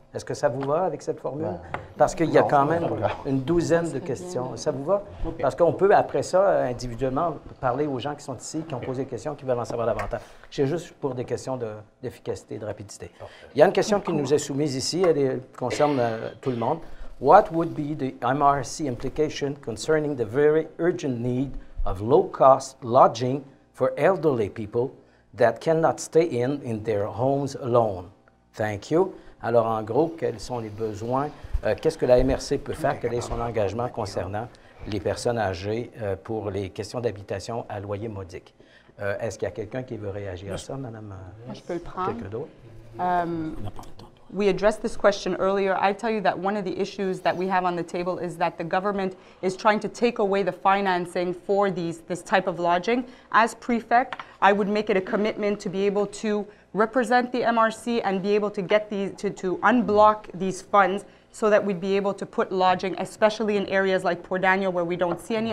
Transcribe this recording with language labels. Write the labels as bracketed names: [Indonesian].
[French] Est-ce que ça vous va avec cette formule? Parce qu'il y a quand même une douzaine de questions. Ça vous va? Parce qu'on peut, après ça, individuellement, parler aux gens qui sont ici, qui ont posé des questions, qui veulent en savoir davantage. C'est juste pour des questions d'efficacité, de rapidité. Il y a une question qui nous est soumise ici, elle concerne tout le monde. [English] What would be the MRC implication concerning the very urgent need of low-cost lodging for elderly people that cannot stay in their homes alone? Thank you. [French] Alors, en gros, quels sont les besoins? Qu'est-ce que la MRC peut faire? Quel est son engagement concernant les personnes âgées pour les questions d'habitation à loyer modique? Est-ce qu'il y a quelqu'un qui veut réagir à ça, Madame? Je peux le prendre. Quelqu'un d'autre? [English] We addressed this question earlier. I tell you that one of the issues that we have on the table is that the government is trying to take away the financing for this type of lodging. As prefect, I would make it a commitment to be able to represent the MRC and be able to get to unblock these funds so that we'd be able to put lodging, especially in areas like Port Daniel where we don't see any.